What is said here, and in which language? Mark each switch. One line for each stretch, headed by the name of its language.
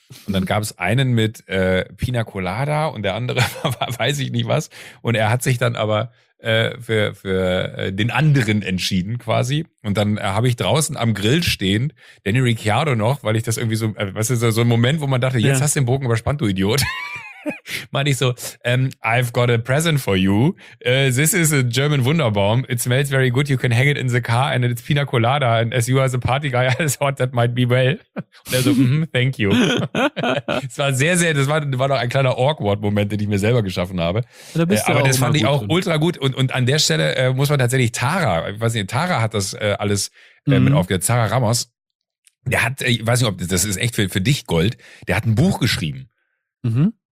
German: Und dann gab es einen mit Pina Colada und der andere war weiß ich nicht was. Und er hat sich dann aber für den anderen entschieden quasi. Und dann habe ich draußen am Grill stehend Danny Ricciardo noch, weil ich das irgendwie so, so ein Moment, wo man dachte, jetzt hast du den Bogen überspannt, du Idiot.
English: Meinte ich so, I've got a present for you. This is a German Wunderbaum. It smells very good. You can hang it in the car and it's Pina Colada. And as you are the party guy, I thought that might be well.
German: Und er so,
English: thank you.
German: Es war sehr, sehr, das war noch ein kleiner Awkward-Moment, den ich mir selber geschaffen habe. Da bist du aber das fand ich auch ultra gut. Und an der Stelle muss man tatsächlich Tara, ich weiß nicht, Tara hat das alles mit aufgehört. Tara Ramos, der hat, ich weiß nicht, ob das ist echt für dich Gold, der hat ein Buch geschrieben. Mhm.